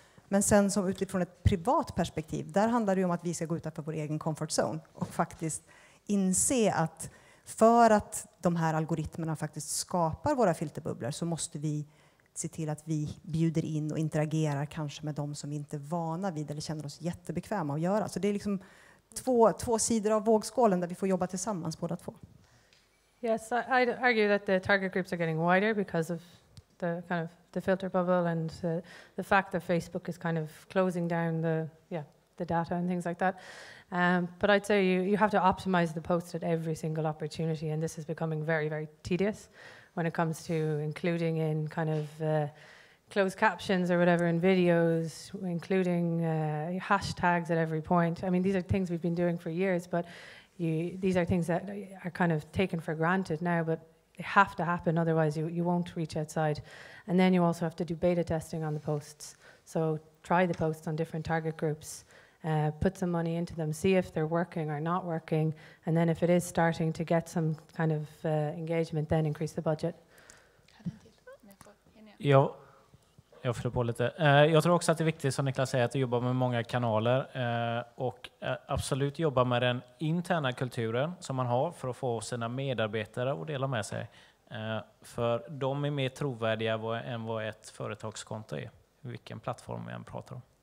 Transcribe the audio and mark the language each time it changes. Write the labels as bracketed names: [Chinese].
[Swedish] Men sen som utifrån ett privat perspektiv, där handlar det ju om att vi ska gå utanför vår egen comfort zone och faktiskt inse att för att de här algoritmerna faktiskt skapar våra filterbubblor, så måste vi se till att vi bjuder in och interagerar kanske med de som vi inte är vana vid eller känner oss jättebekväma att göra. Så det är liksom två sidor av vågskålen där vi får jobba tillsammans båda två. [English] Yes, I argue that the target groups are getting wider because of the kind of the filter bubble and the fact that Facebook is kind of closing down the data and things like that. But I'd say you have to optimize the post at every single opportunity, and this is becoming very, very tedious when it comes to including in kind of closed captions or whatever in videos, including hashtags at every point. I mean, these are things we've been doing for years, but these are things that are kind of taken for granted now, but they have to happen, otherwise you won't reach outside. And then you also have to do beta testing on the posts. So try the posts on different target groups, put some money into them, see if they're working or not working, and then if it is starting to get some kind of engagement, then increase the budget. [Swedish] Ja, jag fyller på lite. Jag tror också att det är viktigt, som Niklas säger, att jobba med många kanaler och absolut jobba med den interna kulturen som man har för att få sina medarbetare att dela med sig. För de är mer trovärdiga än vad ett företagskonto är, vilken plattform vi än pratar om.